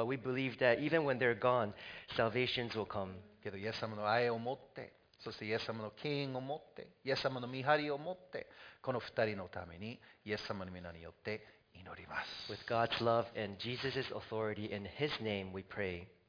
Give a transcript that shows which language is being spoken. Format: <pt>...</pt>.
<en>But we believe that even when they're gone, salvations will come.</en> <ja>けどイエス様の愛を持って、そしてイエス様の権威を持って、イエス様の見張りを持って、この二人のためにイエス様の皆によって祈ります。</ja> <en>With God's love and Jesus's authority in His name, we pray.</en>